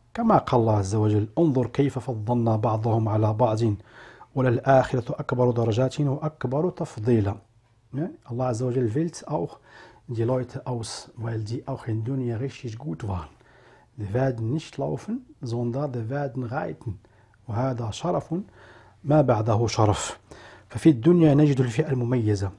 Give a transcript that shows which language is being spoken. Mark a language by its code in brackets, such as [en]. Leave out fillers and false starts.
[ar] كما قال الله عز وجل انظر كيف فضلنا بعضهم على بعض وللآخرة أكبر درجات وأكبر تفضيلا. الله عز وجل [de] wählt auch die Leute aus, weil die auch in Dunya richtig gut waren. Die werden nicht laufen, sondern die werden reiten. [ar] وهذا شرف ما بعده شرف. ففي الدنيا نجد الفئة المميزة.